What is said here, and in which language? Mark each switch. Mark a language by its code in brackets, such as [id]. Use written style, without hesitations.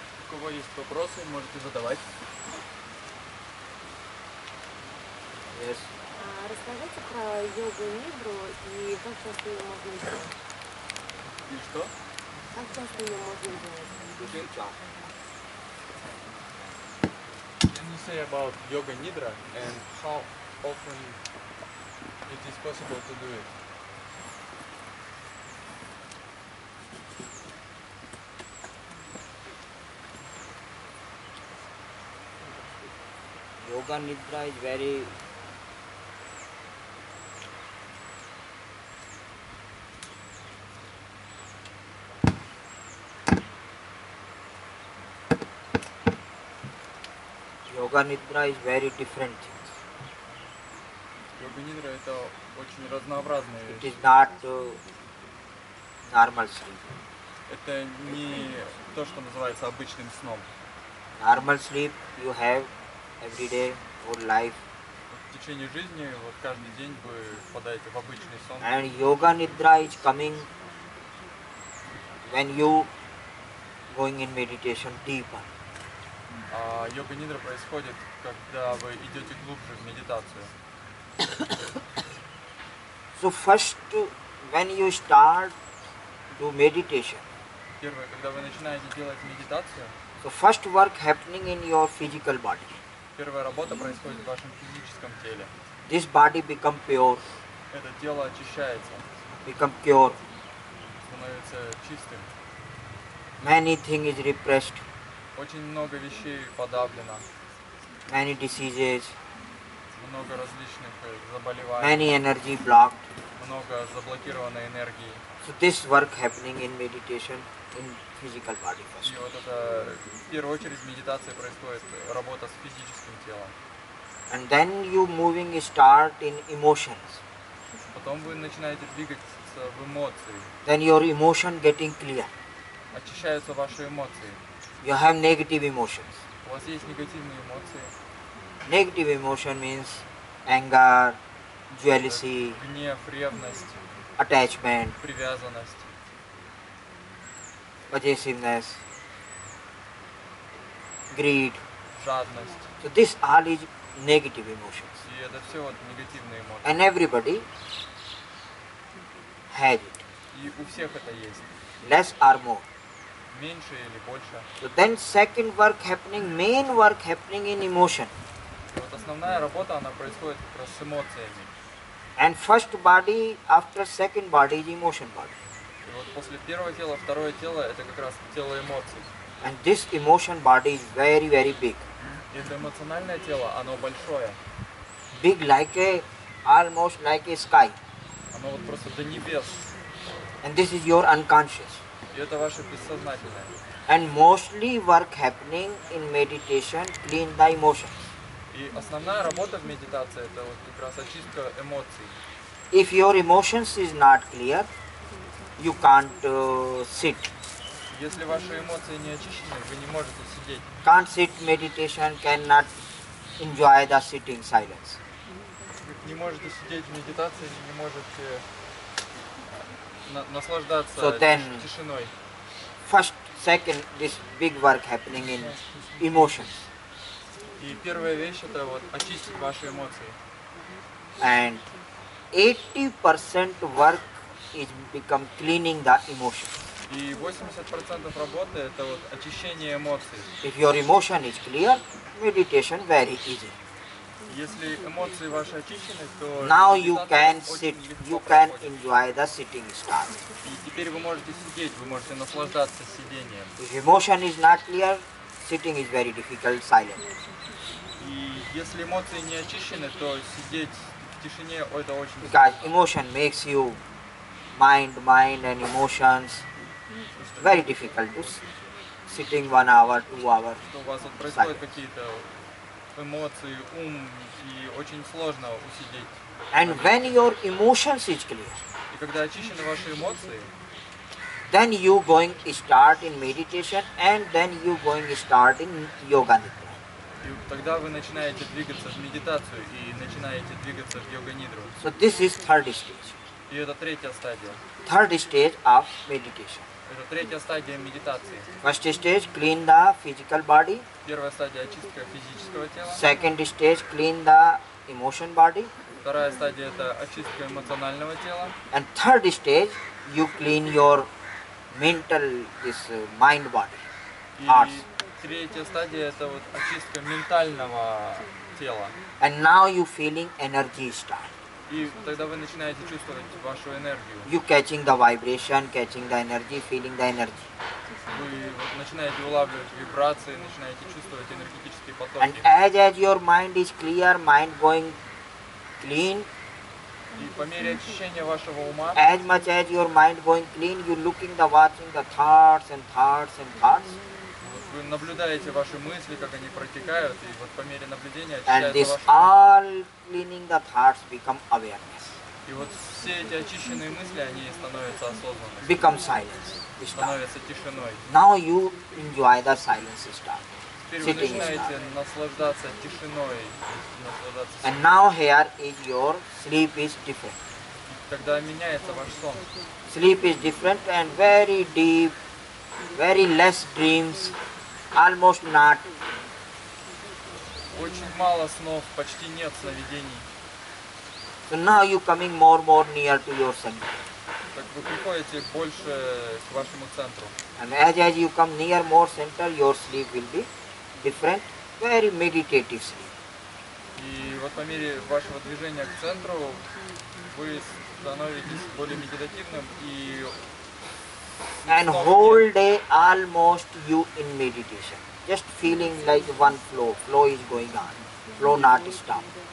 [ru] Кого есть вопросы, можете задавать. [en] Yes. [ru] Расскажите про йогу нидру и как часто ее можно делать. И что? Как часто ее можно делать? Один час. [en] Can you say about yoga nidra and how often it is possible to do it? Yoga nidra is very Yoga nidra is very different things. [ru] Yoga nidra это очень разнообразные вещи. [en] It is not normal sleep. [ru] Это не то, что называется обычным сном. [en] Normal sleep you have every day or life. [ru] В течение жизни вот каждый день вы впадаете в обычный сон. [en] And yoga nidra is coming when you going in meditation deeper. [ru] А йога нидра происходит, когда вы идете глубже в медитацию. [en] So first, when you start to meditation. [ru] Первое, когда вы начинаете делать медитацию. [en] So first work happening in your physical body. [ru] Первая работа происходит в вашем физическом теле. [en] This body become pure. [ru] Это тело очищается. [en] Become pure. [ru] Становится чистым. [en] Many things is repressed. [ru] Очень много вещей подавлено. [en] Many diseases. [ru] Много различных заболеваний. [en] Many energy blocked. [ru] Много заблокированной энергии. [en] So this work happening in meditation in physical body first. [ru] И вот это в первую очередь медитация происходит, работа с физическим телом. [en] And then you moving start in emotions. [ru] Потом вы начинаете двигаться в эмоции. [en] Then your emotion getting clear. [ru] Очищаются ваши эмоции. [en] You have negative emotions. [ru] У вас есть негативные эмоции. [en] Negative emotion means anger, jealousy, [ru] гнев, ревность, [en] attachment, [ru] привязанность, [en] possessiveness, greed, [ru] жадность. [en] So this all is negative emotions. [ru] И это все вот негативные эмоции. [en] And everybody has it. [ru] И у всех это есть. [en] Less or more. [ru] Меньше или больше. [en] So then second work happening, main work happening in emotion. [ru] И вот основная работа, она происходит как раз с эмоциями. [en] And first body after second body is emotion body. [ru] И вот после первого тела, второе тело, это как раз тело эмоций. [en] And this emotion body is very, very big. [ru] И это эмоциональное тело, оно большое. [en] Big like a, almost like a sky. [ru] Оно вот просто до небес. [en] And this is your unconscious. [ru] И это ваше бессознательное. [en] And mostly work happening in meditation, clean the emotions. [ru] И основная работа в медитации это вот как раз очистка эмоций. [en] If your emotions is not clear, you can't sit. [ru] Если ваши эмоции не очищены, вы не можете сидеть. [en] Can't sit meditation, cannot enjoy the sitting silence. [ru] Не можете сидеть в медитации, не можете наслаждаться [en] so then, [ru] тишиной. [en] First, second, this big work happening in emotions. [ru] И первая вещь это вот очистить ваши эмоции. [en] And 80% work is become cleaning the emotions. [ru] И 80% работы это вот очищение эмоций. [en] If your emotion is clear, meditation very easy. [ru] Если эмоции ваши очищены, то [en] now you can sit, you can enjoy the sitting start. [ru] И теперь вы можете сидеть, вы можете наслаждаться сидением. [en] If emotion is not clear, sitting is very difficult, silent. [ru] И если эмоции не очищены, то сидеть в тишине это очень [en] because [ru] сложно. [en] Emotion makes you mind and emotions very difficult to sitting 1 hour, 2 hours. [ru] Что у вас вот происходит [en] silent. [ru] Какие-то эмоции, ум, и очень сложно усидеть. [en] And when your emotions is clear. [ru] И когда очищены ваши эмоции, [en] then you going start in meditation and then you going start in yoga nidra. [ru] Тогда вы начинаете двигаться в медитацию и начинаете двигаться в йога-нидру. [en] So this is third stage. [ru] И это третья стадия. [en] Third stage of meditation. [ru] Это третья стадия медитации. [en] First stage, clean the physical body. [ru] Первая стадия очистка физического тела. [en] Second stage, clean the emotion body. [ru] Вторая стадия это очистка эмоционального тела. [en] And third stage, you clean your mental, this mind body, heart. [ru] Третья стадия это вот очистка ментального тела. [en] And now you feeling energy start. [ru] И тогда вы начинаете чувствовать вашу энергию. [en] You catching the vibration, catching the energy, feeling the energy. [ru] Вы вот начинаете улавливать вибрации, начинаете чувствовать энергетические потоки. [en] And as your mind is clear, mind going clean. [ru] И по мере очищения вашего ума. [en] As much as your mind going clean, you looking the watching the thoughts and thoughts and thoughts. [ru] Вы наблюдаете ваши мысли, как они протекают, и вот по мере наблюдения очищается ваше сознание. И вот все эти очищенные мысли, они становятся осознанными. [en] Become silence. [ru] Становятся тишиной. [en] Now you enjoy the silence start. [ru] Теперь вы начинаете наслаждаться тишиной. Наслаждаться. [en] And now here is your sleep is different. [ru] Тогда меняется ваш сон. [en] Sleep is different and very deep, very less dreams. Almost not. [ru] Очень мало снов, почти нет сновидений. [en] So now you coming more near to your center. [ru] Так вы приходите больше к вашему центру. [en] And as you come near more center, your sleep will be different, very meditative sleep. [ru] И вот по мере вашего движения к центру, вы становитесь более медитативным и [en] And whole day almost you in meditation, just feeling like one flow. Flow is going on, flow not stop.